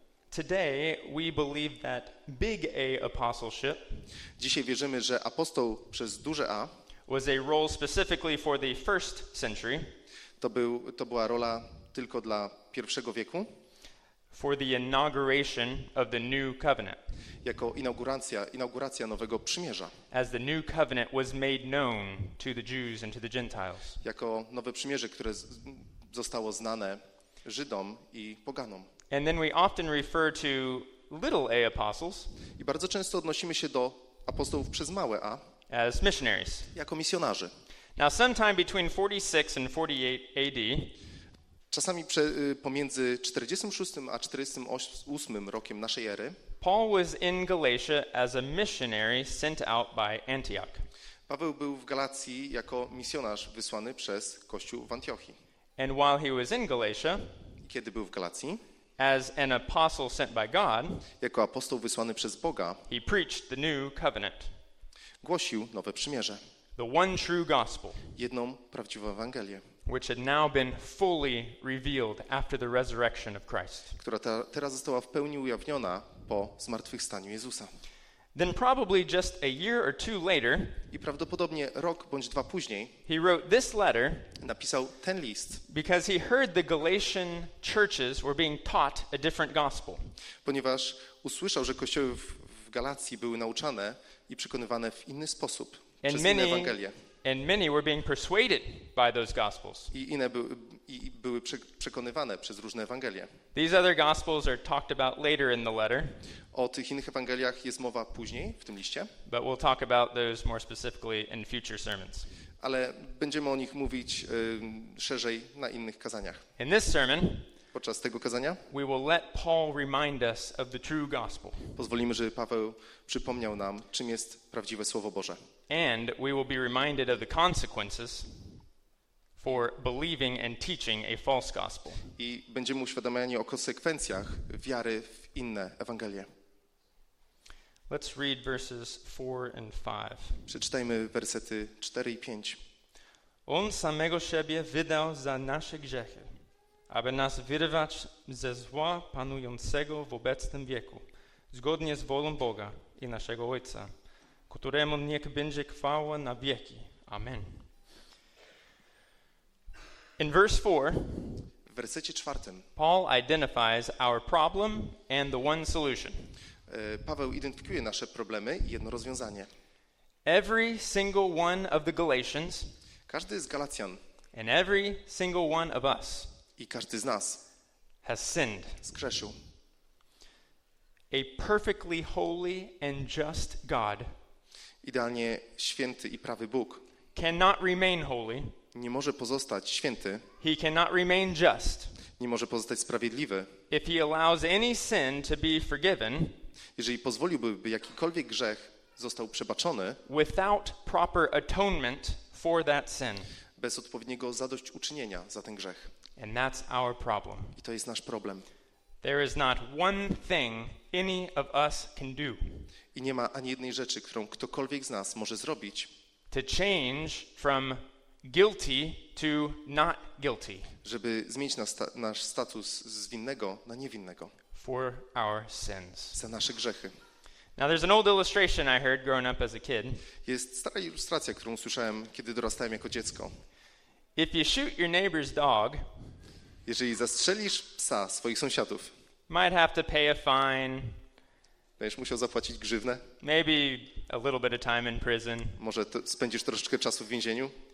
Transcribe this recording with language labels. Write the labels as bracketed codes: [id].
[en] Today we believe that big A apostleship. [pl] Dzisiaj wierzymy, że apostoł przez duże A [en] was a role specifically for the first century. [pl] To była rola tylko dla pierwszego wieku. [en] For the inauguration of the new covenant. [pl] Jako inauguracja nowego przymierza. [en] As the new covenant was made known to the Jews and to the Gentiles. [pl] Jako nowe przymierze, które zostało znane Żydom i poganom. [en] And then we often refer to little A apostles. [pl] I bardzo często odnosimy się do apostołów przez małe A. [en] As missionaries. [pl] Jako misjonarzy. [en] Now sometime between 46 and 48 AD. [pl] Czasami pomiędzy 46 a 48 rokiem naszej ery. [en] Paul was in Galatia as a missionary sent out by Antioch. [pl] Paweł był w Galacji jako misjonarz wysłany przez kościół w Antiochii. [en] And while he was in Galatia, [pl] kiedy był w Galacji, [en] as an apostle sent by God, [pl] jako apostoł wysłany przez Boga, [en] he preached the new covenant. [pl] Głosił nowe przymierze. [en] The one true gospel. [pl] Jedną prawdziwą Ewangelię. [en] Which had now been fully revealed after the resurrection of Christ. [pl] Która teraz została w pełni ujawniona po zmartwychwstaniu Jezusa. [en] Then probably just a year or two later, [pl] i prawdopodobnie rok bądź dwa później, [en] he wrote this letter, [pl] napisał ten list, [en] because he heard the Galatian churches were being taught a different gospel. [pl] Ponieważ usłyszał, że kościoły w Galacji były nauczane i przekonywane w inny sposób [en] and [pl] przez inne Ewangelię. [en] And many were being persuaded by those gospels. [pl] I były przekonywane przez różne Ewangelie. [en] These other gospels are talked about later in the letter. [pl] O tych innych Ewangeliach jest mowa później w tym liście. [en] But we'll talk about those more specifically in future sermons. [pl] Ale będziemy o nich mówić szerzej na innych kazaniach. [en] In this sermon, [pl] podczas tego kazania, [en] we will let Paul remind us of the true gospel. [pl] Pozwolimy, żeby Paweł przypomniał nam, czym jest prawdziwe Słowo Boże. [en] And we will be reminded of the consequences for believing and teaching a false gospel. [pl] I będziemy uświadamiani o konsekwencjach wiary w inne Ewangelie. [en] Let's read verses 4 and 5. [pl] Przeczytajmy wersety 4 i 5. On samego siebie wydał za nasze grzechy, aby nas wyrywać ze zła panującego w obecnym wieku, zgodnie z wolą Boga i naszego Ojca, któremu niech będzie chwała na wieki. Amen. [en] In verse 4, [pl] w wersecie 4, [en] Paul identifies our problem and the one solution. [pl] Paweł identyfikuje nasze problemy i jedno rozwiązanie. [en] Every single one of the Galatians, [pl] każdy z Galacjan, [en] and every single one of us, [pl] i każdy z nas, [en] has sinned. [pl] Zgrzeszył. [en] A perfectly holy and just God, [pl] idealnie święty i prawy Bóg, [en] cannot remain holy. [pl] Nie może pozostać święty. [en] He cannot remain just. [pl] nie może pozostać sprawiedliwy. [en] If he allows any sin to be forgiven, [pl] jeżeli pozwoliłby, by jakikolwiek grzech został przebaczony, [en] without proper atonement for that sin. [pl] Bez odpowiedniego zadośćuczynienia za ten grzech. [en] And that's our problem. [pl] I to jest nasz problem. [en] There is not one thing any of us can do. [pl] I nie ma ani jednej rzeczy, którą ktokolwiek z nas może zrobić. [en] To change from guilty to not guilty. [pl] Żeby zmienić nasz status z winnego na niewinnego. [en] For our sins. [pl] Za nasze grzechy. [en] Now there's an old illustration I heard growing up as a kid. [pl] Jest stara ilustracja, którą słyszałem, kiedy dorastałem jako dziecko. [en] If you shoot your neighbor's dog, [pl] jeżeli zastrzelisz psa swoich sąsiadów, [en] might have to pay a fine. [pl] Będziesz musiał zapłacić grzywnę. [en] Maybe a little bit of time in prison. [pl] Może spędzisz troszeczkę czasu w więzieniu.